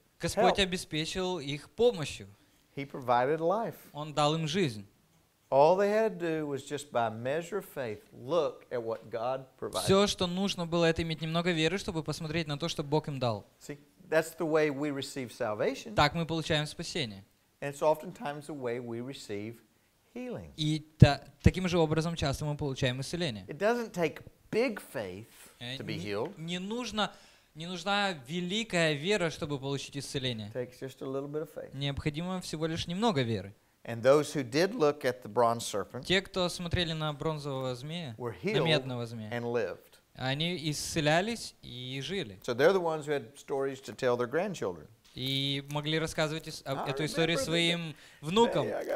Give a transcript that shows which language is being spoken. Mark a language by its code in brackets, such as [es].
[ru] Господь обеспечил их помощью. [en] He provided life. [ru] Он дал им жизнь. [en] All they had to do was just by measure of faith look at what God provided. [ru] Все, что нужно было, это иметь немного веры, чтобы посмотреть на то, что Бог им дал. [en] See, that's the way we receive salvation. [ru] Так мы получаем спасение. [en] And it's oftentimes the way we receive healing. [ru] И таким же образом часто мы получаем исцеление. [en] It doesn't take big faith to be healed. [ru] Не нужна великая вера, чтобы получить исцеление. [en] It takes just a little bit of faith. [ru] Необходимо всего лишь немного веры. [en] And those who did look at the bronze serpent, [ru] те, кто смотрели на бронзового змея, [en] were healed, [ru] на медного змея, [en] and lived. [ru] Они исцелялись и жили. [en] So they're the ones who had stories to tell their grandchildren. [ru] И могли рассказывать эту историю своим внукам.